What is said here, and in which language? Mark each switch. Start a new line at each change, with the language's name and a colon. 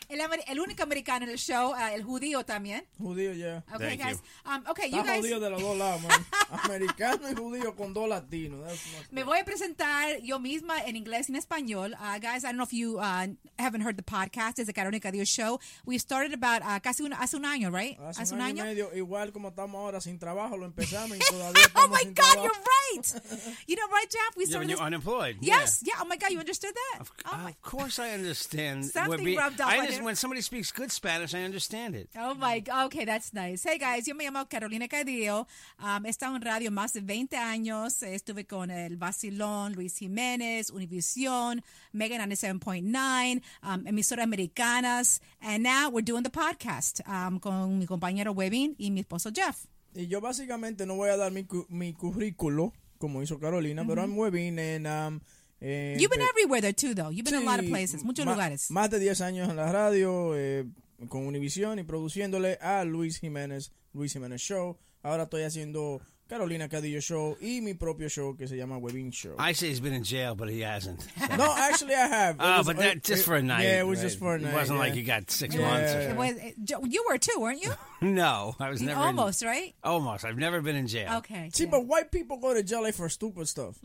Spanish: El único americano en el show, el judío también. Judío, yeah.
English: Okay, thank you guys.
Spanish: Judío de los dos lados, man. Americano y judío con dos latinos. Me voy a presentar yo misma en inglés y en español.
English: Guys, I don't know if you haven't heard the podcast. It's the Carolina Cadillo Show. We started about
Spanish: hace un año,
English: right?
Spanish: Hace un año y medio. Igual como estamos ahora sin trabajo, lo empezamos y todavía estamos sin trabajo.
English: Oh, my God, you're right. You know, right, Jeff? When you're unemployed. Yes, yeah. Oh, my God, you understood that? Of course I understand. Something rubbed off. When somebody speaks good Spanish, I understand it. Oh, my God. Okay, that's nice. Hey, guys,
Spanish: yo me llamo Carolina Cadillo. Estamos en radio más de 20 años. Estuve con el Vacilón, Luis Jiménez, Univision, Megan on 7.9, emisoras americanas.
English: And now we're doing the podcast
Spanish: con mi compañero Webin y mi esposo Jeff. Y yo básicamente no voy a dar mi currículo, como hizo Carolina, pero
English: I'm Webin and... You've been everywhere there too, though. You've been a lot of places,
Spanish: muchos lugares. Más de 10 años en la radio, con Univision y produciéndole a Luis Jiménez, Luis Jiménez Show. Ahora estoy haciendo... Carolina Cadillo Show y mi propio show que se llama Webin Show.
English: I say he's been in jail, but he hasn't. So. No, actually, I have. But just for a night. Yeah, it was just for a night. It wasn't like you got six months. You were too, weren't you? No, I was never. Almost, right? I've never been in jail. Okay. See, but white people go to jail for stupid stuff.